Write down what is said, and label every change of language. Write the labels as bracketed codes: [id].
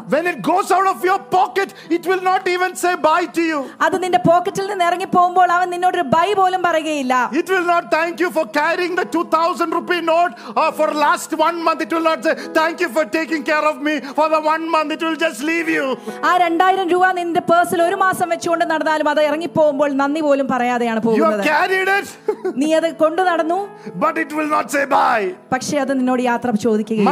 [en] When it goes out of your pocket it will not even say bye to you. [ml] അത് നിന്റെ പോക്കറ്റിൽ നിന്ന് ഇറങ്ങി പോകുമ്പോൾ അവൻ നിന്നോട് ഒരു ബൈ പോലും പറയുകയില്ല [en] It will not thank you for carrying the 2000 rupee note for last one month it will not say thank you for taking care of me for the one month it will just leave you. [ml] ആ 2000 രൂപ നിന്റെ പേഴ്സിൽ ഒരു മാസം വെച്ചുകൊണ്ട് നടന്നാലും അത് ഇറങ്ങി പോകുമ്പോൾ നന്ദി പോലും പറയാതെയാണ് പോകുന്നത് [en] You have carried it. [ml] നീ അത് കൊണ്ടുനടന്നു [en] But it will not say bye. [ml] പക്ഷേ അത് നിന്നോട് യാത്ര ചോദിക്കുകയില്ല